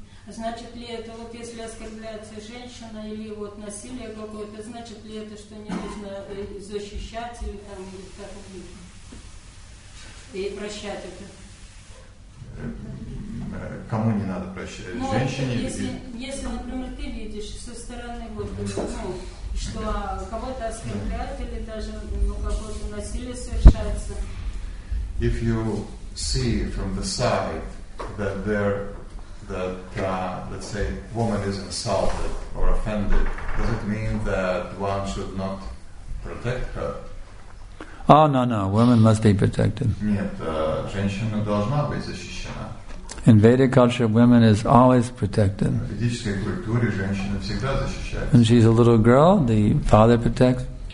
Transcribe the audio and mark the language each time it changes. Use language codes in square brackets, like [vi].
[ru] Значит ли это, вот если оскорбляется женщина или вот насилие какое-то, значит ли это, что не нужно защищать или там, или как угодно? И прощать это? Кому не надо прощать? Ну, женщине? Если, например, ты видишь со стороны, вот, ну, что кого-то оскорбляют или даже ну, какое-то насилие совершается. [en] If you see from the side that there that, let's say, woman is insulted or offended, does it mean that one should not protect her? Oh, no, no. Women must be protected. [ru] Нет, женщина должна быть защищена. [en] In Vedic culture, women is always protected. [ru] В ведической культуре женщина всегда защищается. [en] When she's a little girl, the father protects.